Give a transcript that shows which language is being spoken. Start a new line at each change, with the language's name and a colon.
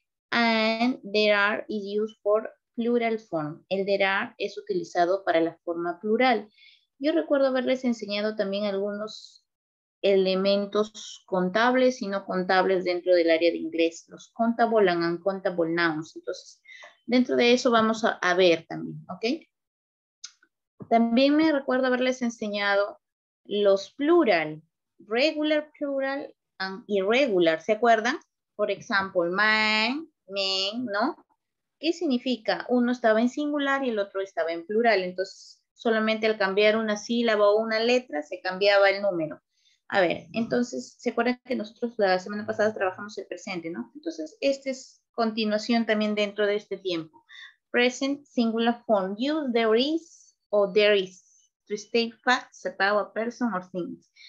English: And there are is used for plural form.
Spanish: El there are es utilizado para la forma plural. Yo recuerdo haberles enseñado también algunos elementos contables y no contables dentro del área de inglés. Los
English: countable and uncountable nouns.
Spanish: Entonces, dentro de eso vamos a ver también, ¿ok? También me recuerdo haberles enseñado los plural.
English: Regular plural and irregular.
Spanish: ¿Se acuerdan? Por ejemplo, man, men, ¿no? ¿Qué significa? Uno estaba en singular y el otro estaba en plural. Entonces, solamente al cambiar una sílaba o una letra, se cambiaba el número. A ver, entonces, ¿se acuerdan que nosotros la semana pasada trabajamos el presente, no? Entonces, esta es continuación también dentro de este tiempo.
English: Present singular form. You, there is, o there is. To state facts about a person or things.